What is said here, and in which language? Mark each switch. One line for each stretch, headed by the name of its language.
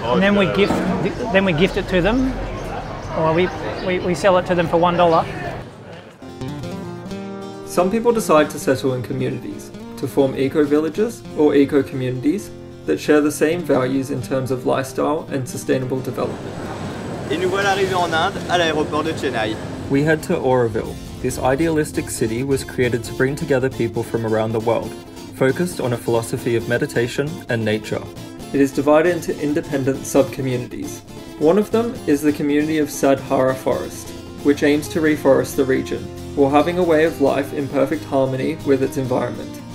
English: And then we gift it to them, or we sell it to them for $1. Some people decide to settle in communities, to form eco-villages or eco-communities that share the same values in terms of lifestyle and sustainable development.
French: Et nous voilà arrivés en Inde, à l'aéroport de Chennai.
English: We head to Auroville. This idealistic city was created to bring together people from around the world, focused on a philosophy of meditation and nature. It is divided into independent sub-communities. One of them is the community of Sadhara Forest, which aims to reforest the region, while having a way of life in perfect harmony with its environment.